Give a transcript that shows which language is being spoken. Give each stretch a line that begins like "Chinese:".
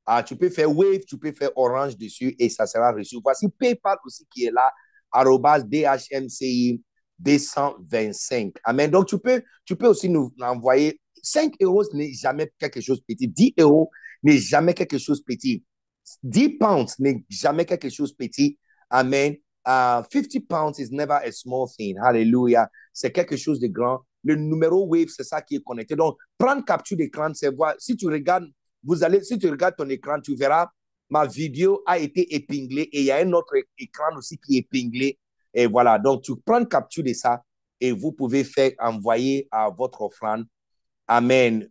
French: Tu peux faire Wave, tu peux faire Orange dessus et ça sera reçu. Voici PayPal aussi qui est là, @DHMCI, 225. Amen. Donc, tu peux aussi nous envoyer 5 euros, ce n'est jamais quelque chose de petit. 10 euros n'est jamais quelque chose de petit. 10 pounds n'est jamais quelque chose de petit. Amen.
English: 50 pounds is never a small thing. Hallelujah.
French: C'est quelque chose de grand. Le numéro Wave, c'est ça qui est connecté. Donc, prendre capture d'écran, c'est voir. Si tu regardes, si tu regardes ton écran, tu verras ma vidéo a été épinglée et il y a un autre écran aussi qui est épinglé. Et voilà. Donc, tu prends capture de ça et vous pouvez faire envoyer à votre offrande. Amen.